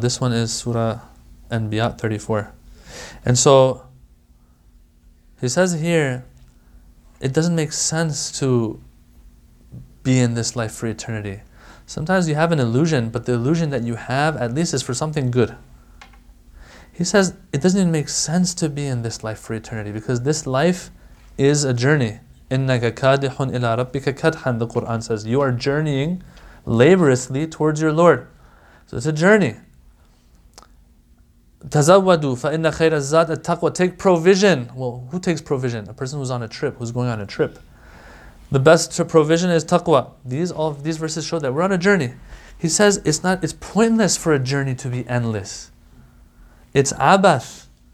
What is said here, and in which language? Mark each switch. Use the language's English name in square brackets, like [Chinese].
[English] This one is Surah Anbiya 34. And so, he says here, it doesn't make sense to be in this life for eternity. Sometimes you have an illusion, but the illusion that you have at least is for something good. He says, it doesn't even make sense to be in this life for eternity, because this life is a journey. [Arabic] إِنَّكَ كَادِحٌ إِلَىٰ رَبِّكَ كَدْحًا, [English] the Qur'an says. You are journeying laboriously towards your Lord. So it's a journey. [Arabic] تَزَوَّدُوا فَإِنَّ خَيْرَ الزَّادِ التَّقْوَى. [English] Take provision. Well, who takes provision? A person who's on a trip, who's going on a trip. The best provision is taqwa. These verses show that we're on a journey. He says it's pointless for a journey to be endless. It's abath.